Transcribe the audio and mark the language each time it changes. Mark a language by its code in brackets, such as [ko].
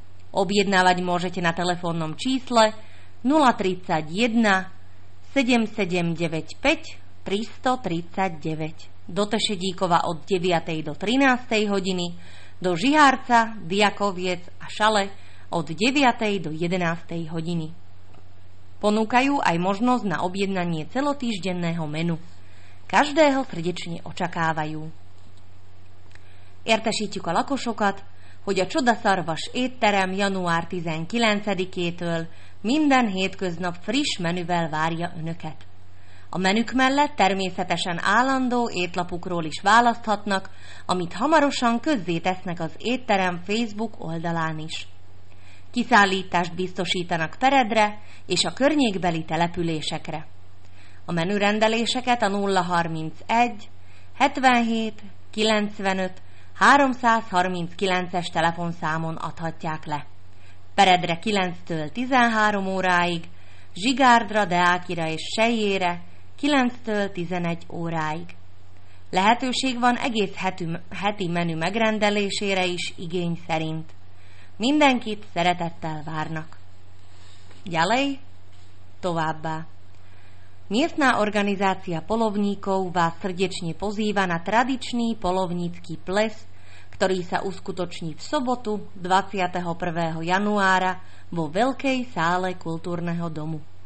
[sk] Objednávať môžete na telefónnom čísle 031 7795 339 do Tešedíkova od 9. do 13. hodiny, do Žihárca, Diakoviec a Šale od 9. do 11. hodiny. Ponúkajú aj možnosť na objednanie celotýždenného menu. Každého srdečne očakávajú. [hu] Értesítjük a lakosokat, hogy a Csodaszarvas étterem január 19-től minden hétköznap friss menüvel várja Önöket. A menük mellett természetesen állandó étlapukról is választhatnak, amit hamarosan közzétesznek az étterem Facebook oldalán is. Kiszállítást biztosítanak Peredre és a környékbeli településekre. A menürendeléseket a 031 77 95 339-es telefonszámon adhatják le. Peredre 9-től 13 óráig, Zsigárdra, Deákira és Sejjére 9-től 11 óráig. Lehetőség van egész heti menü megrendelésére is igény szerint. Mindenkit szeretettel várnak. Gyalej, továbbá. [sk] Miestna organizácia polovníkov vás srdečne pozýva na tradičný polovnícky ples, ktorý sa uskutoční v sobotu 21. januára vo Veľkej sále kultúrneho domu.